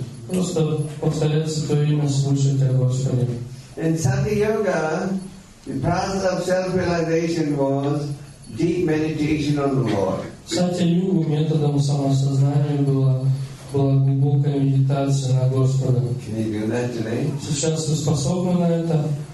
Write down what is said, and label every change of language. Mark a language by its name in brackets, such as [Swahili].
[Russian] Просто повторять Святое Имя, слушать о Господе. [English] In Sati Yoga, the process of self-realization was deep meditation on the Lord. [Russian] В Сати Йогу методом самосознания была глубокая медитация на Господа. [English] Can you do that today? [Russian] Сейчас вы способны на это?